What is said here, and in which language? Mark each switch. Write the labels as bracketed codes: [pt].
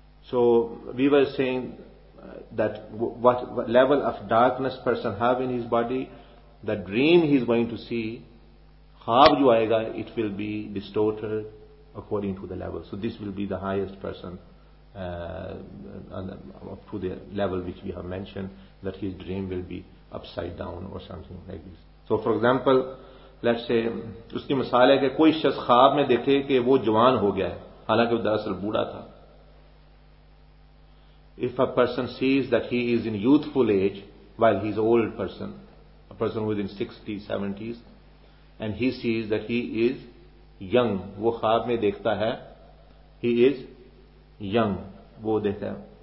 [en] So we were saying that what level of darkness person have in his body, the dream he is going to see, [ur] خواب جو آئے گا, [en] it will be distorted according to the level. So this will be the highest person up to the level which we have mentioned, that his dream will be upside down or something like this. So for example, let's say [ur] اس کی مثال ہے کہ کوئی شخص خواب میں دیکھے کہ وہ جوان ہو گیا ہے حالانکہ وہ دراصل بوڑھا تھا. [en] If a person sees that he is in youthful age while he is old person, a person who is in 60s, 70s, and he sees that he is young. [ur] وہ خواب میں دیکھتا ہے. [en] He is young. [ur] وہ دیکھتا ہے.